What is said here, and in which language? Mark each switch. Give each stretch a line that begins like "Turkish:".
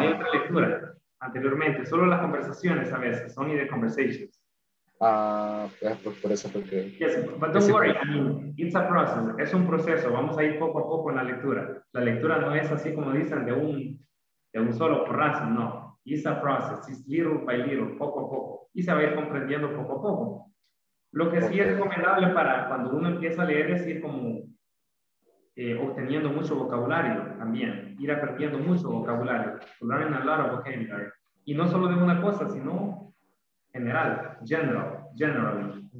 Spanish: Hay otra lectura anteriormente, solo las conversaciones a veces, son
English: only the conversations.
Spanish: Ah, por eso, porque...
English: Yes, but don't worry, I mean, it's a process,
Spanish: es un proceso, vamos a ir poco a poco en la lectura. La lectura no es así como dicen, de un solo porrazo, no.
English: It's a process, it's little by little,
Spanish: poco a poco. Y se va a ir comprendiendo poco a poco. Lo que sí es recomendable para cuando uno empieza a leer es ir como obteniendo mucho vocabulario también. Ir aprendiendo mucho vocabulario.
English: Learning a lot of vocabulary.
Spanish: Y no solo de una cosa, sino... General.